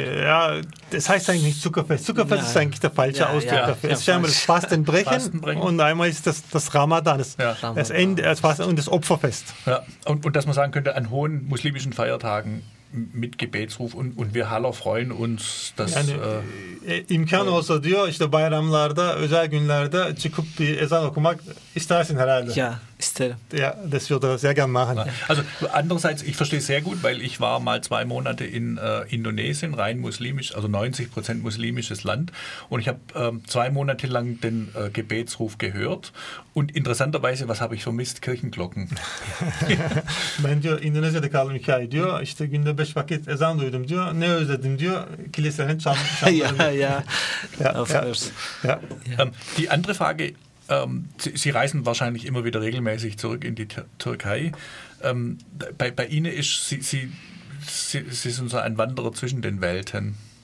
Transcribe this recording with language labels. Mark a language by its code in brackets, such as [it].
[de] Nee, ja, das heißt eigentlich nicht Zuckerfest. Zuckerfest ist eigentlich der falsche Ausdruck dafür. Es ist einmal das Fastenbrechen und einmal ist das Ramadan, das Ende, das Fasten und das Opferfest. Ja. Und dass man sagen könnte, an hohen muslimischen Feiertagen mit Gebetsruf und wir Haller freuen uns, dass... [tr] Yani, imkan olsa diyor, işte bayramlarda, özel günlerde çıkıp bir ezan okumak istersin herhalde. Ja, isterim. [de] Ja, das würde ich sehr gerne machen. Ja. Also, andererseits, ich verstehe sehr gut, weil ich war mal 2 Monate in Indonesien, rein muslimisch, also 90% muslimisches Land, und ich habe 2 Monate lang den Gebetsruf gehört und interessanterweise, was habe ich vermisst? Kirchenglocken. [tr] Ben diyor, Indonesien'de kaldım hikaye diyor, işte günde 5 vakit ezan duydum diyor. Ne özledim diyor. Kilisenin çamları. [de] Die andere Frage, Sie reisen wahrscheinlich immer wieder regelmäßig zurück in die Türkei. Bei Ihnen ist, Sie sind so ein Wanderer zwischen den Welten.